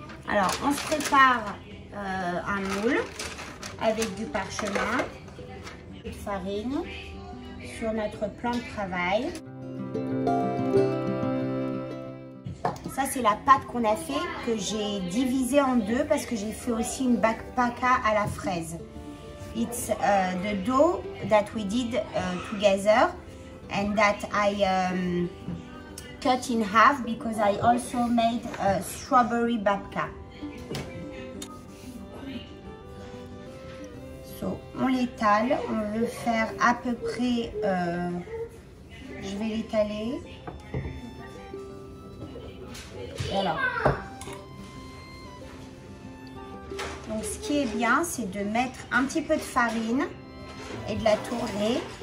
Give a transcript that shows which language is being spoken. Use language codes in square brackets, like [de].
[fr] Alors, on se prépare un moule avec du parchemin, de la farine sur notre plan de travail. Ça, c'est la pâte qu'on a fait, que j'ai divisée en deux parce que j'ai fait aussi une babka à la fraise. [en] It's the dough that we did together and that I cut in half because I also made a strawberry babka. [fr] So, on l'étale, on veut faire à peu près, je vais l'étaler. Alors. Donc ce qui est bien, c'est de mettre un petit peu de farine et de la tourner.